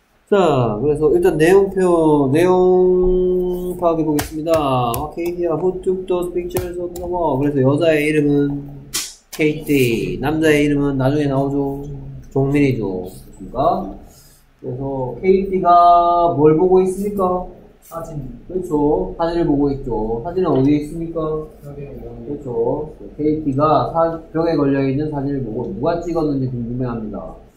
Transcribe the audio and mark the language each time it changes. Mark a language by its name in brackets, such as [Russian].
[Korean] 자, 그래서 일단 내용 파악해 보겠습니다. [English] Katie, who took those pictures of the wall? [Korean] 그래서 여자의 이름은 Katie, 남자의 이름은 나중에 나오죠. 종민이죠. 됐습니다. 그래서 KT가 뭘 보고 있습니까? 사진. 그렇죠. 사진을 보고 있죠. 사진은 어디에 있습니까? 그렇죠. KT가 벽에 걸려있는 사진을 보고 누가 찍었는지 궁금해합니다.